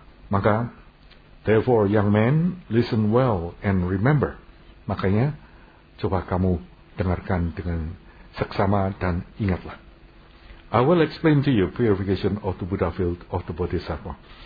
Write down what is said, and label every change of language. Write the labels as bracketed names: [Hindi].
[English] Maka, therefore young man, listen well and remember. [Indonesian] Makanya, coba kamu dengarkan dengan seksama dan ingatlah. [English] I will explain to you purification of the Buddha field of the Bodhisattva.